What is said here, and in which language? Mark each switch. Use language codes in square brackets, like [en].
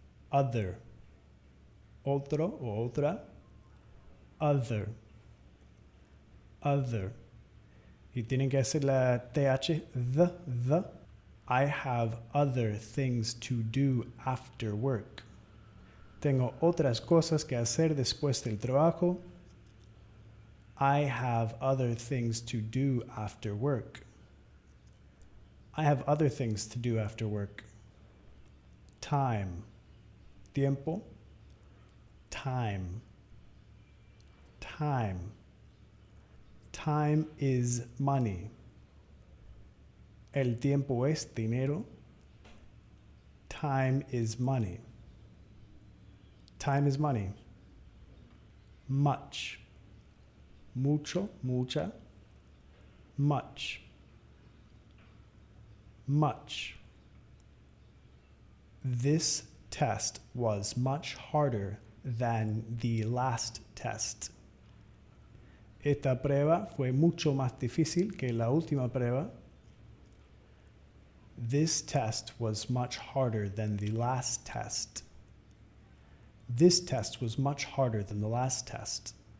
[en] Other. [es] Otro o otra. [en] Other. Other. [es] Y tienen que hacer la TH. The. [en] I have other things to do after work. [es] Tengo otras cosas que hacer después del trabajo. [en] I have other things to do after work. I have other things to do after work. Time. Tiempo. Time. Time. Time is money. [es] El tiempo es dinero. [en] Time is money. Time is money. Much. [es] Mucho, mucha. Much. [en] Much. This test was much harder than the last test. [es] Esta prueba fue mucho más difícil que la última prueba. [en] This test was much harder than the last test. This test was much harder than the last test.